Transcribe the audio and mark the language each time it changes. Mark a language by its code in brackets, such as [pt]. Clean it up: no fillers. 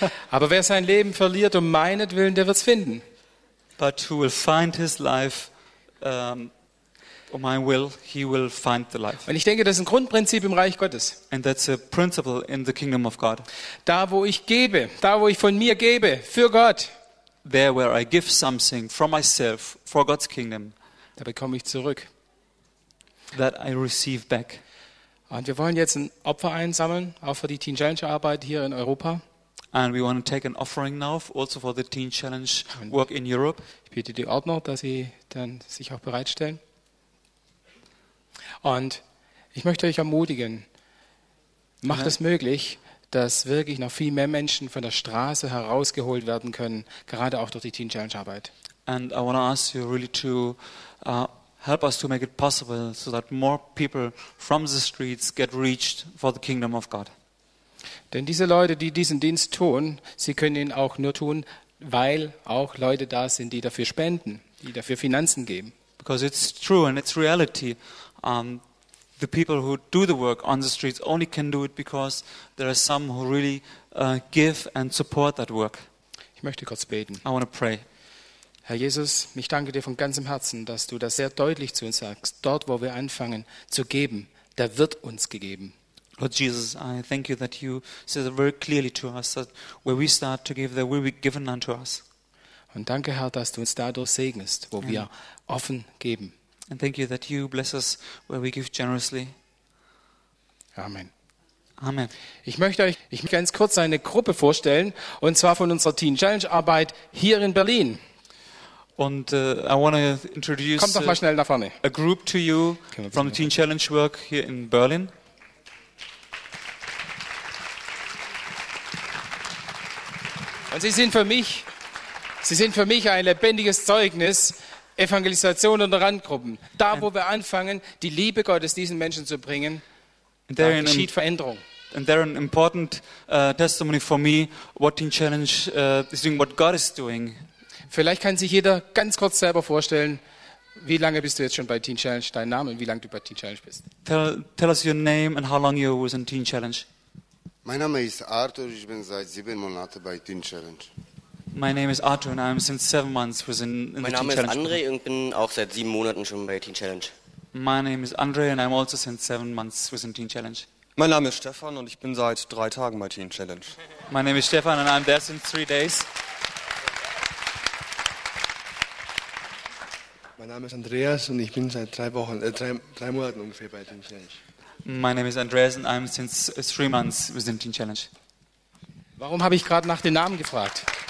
[de] Aber wer sein Leben verliert um meinetwillen, der wird's finden. [en] But who will find his life um my will, he will find the life. [de] Und ich denke, das ist ein Grundprinzip im Reich Gottes. [en] And that's a principle in the kingdom of God. [de] Da wo ich gebe, da wo ich von mir gebe für Gott. [en] There where I give something from myself for God's kingdom. [de] Da bekomme ich zurück. [en] That I receive back. [de] Und wir wollen jetzt ein Opfer einsammeln, auch für die Teen Challenge Arbeit hier in Europa. [en] And we want to take an offering now also for the Teen Challenge work in Europe. [de] Ich bitte die Ordner, dass sie dann sich auch bereitstellen. Und ich möchte euch ermutigen, macht es möglich, dass wirklich noch viel mehr Menschen von der Straße herausgeholt werden können, gerade auch durch die Teen Challenge Arbeit. [en] And I want to ask you really to help us to make it possible so that more people from the streets get reached for the kingdom of God. [de] Denn diese Leute, die diesen Dienst tun, sie können ihn auch nur tun, weil auch Leute da sind, die dafür spenden, die dafür Finanzen geben. [en] Because it's true and it's reality. The people who do the work on the streets only can do it because there are some who really give and support that work. [de] Ich möchte kurz beten. [en] I want to pray. [de] Herr Jesus, ich danke dir von ganzem Herzen, dass du das sehr deutlich zu uns sagst. Dort, wo wir anfangen zu geben, da wird uns gegeben. [en] Lord Jesus, I thank you that you say that very clearly to us that where we start to give, there will be given unto us. [de] Und danke, Herr, dass du uns dadurch segnest, wo wir offen geben. [en] And thank you that you bless us where we give generously. [de] Amen. [en] Amen. [de] Ich möchte ganz kurz eine Gruppe vorstellen, und zwar von unserer Teen Challenge Arbeit hier in Berlin. [en] And I want to introduce [de] Kommt doch mal schnell nach vorne. [en] A group to you from the Teen Challenge work here in Berlin. [de] Und sie sind für mich ein lebendiges Zeugnis, Evangelisation und Randgruppen. Da, wo wir anfangen, die Liebe Gottes diesen Menschen zu bringen, da geschieht Veränderung. [en] And they're an important testimony for me, what Teen Challenge is doing, what God is doing. [de] Vielleicht kann sich jeder ganz kurz selber vorstellen, wie lange bist du jetzt schon bei Teen Challenge, dein Name und wie lange du bei Teen Challenge bist. [en] Tell us your name and how long you were in Teen Challenge. [de] Mein Name ist Arthur, ich bin seit 7 Monaten bei Teen Challenge. [en] My name is Arthur and I'm since 7 months within in Teen Challenge. [de] Mein Name ist André und bin auch seit 7 Monaten schon bei Teen Challenge. [en] My name is André and I'm also since 7 months within Teen Challenge. [de] Mein Name ist Stefan und ich bin seit 3 Tagen bei Teen Challenge. [en] My name is Stefan and I'm there since 3 days. [de] Mein Name ist Andreas und ich bin seit 3 Monaten ungefähr bei Teen Challenge. [en] My name is Andreas and I'm since 3 months within Teen Challenge. [de] Warum habe ich gerade nach den Namen gefragt?